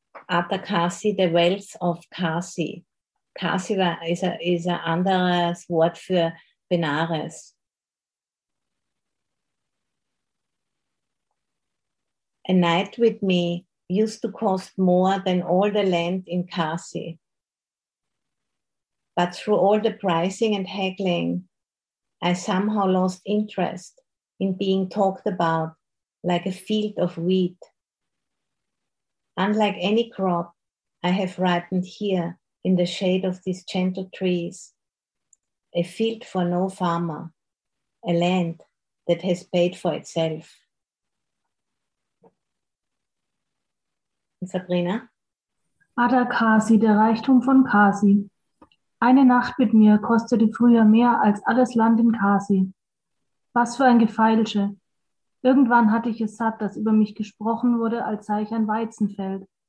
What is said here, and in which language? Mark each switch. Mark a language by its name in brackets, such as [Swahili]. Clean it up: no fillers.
[German] Atakasi, [English] the wealth of Kasi. [German] Kasi ist ein anderes Wort für Benares. [English] A night with me used to cost more than all the land in Kasi. But through all the pricing and haggling, I somehow lost interest in being talked about like a field of wheat. Unlike any crop I have ripened here in the shade of these gentle trees, a field for no farmer, a land that has paid for itself. Sabrina? [German] Atakasi, der Reichtum von Kasi. Eine Nacht mit mir kostete früher mehr als alles Land in Kasi. Was für ein Gefeilsche. Irgendwann hatte ich es satt, dass über mich gesprochen wurde, als sei ich ein Weizenfeld.